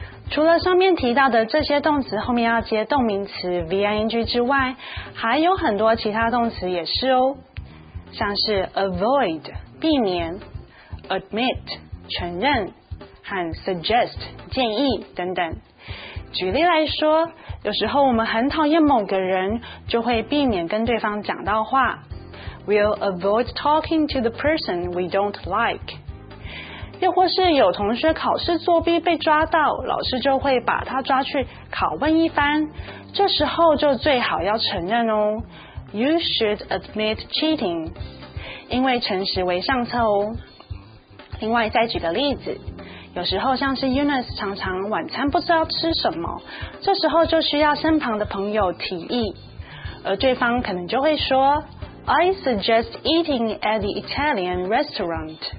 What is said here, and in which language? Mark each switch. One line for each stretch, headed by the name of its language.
Chinese: 除了上面提到的这些动词后面要接动名词 ving 之外，还有很多其他动词也是哦，像是 avoid 避免、 admit 承认和 suggest 建议等等。举例来说，有时候我们很讨厌某个人，就会避免跟对方讲到话。
English: We'll avoid talking to the person we don't like。
Chinese: 又或是有同学考试作弊被抓到，老师就会把他抓去拷问一番，这时候就最好要承认哦。
English: You should admit cheating，
Chinese: 因为诚实为上策哦。另外再举个例子，有时候像是 Eunice 常常晚餐不知道吃什么，这时候就需要身旁的朋友提议，而对方可能就会说
English: I suggest eating at the Italian restaurant.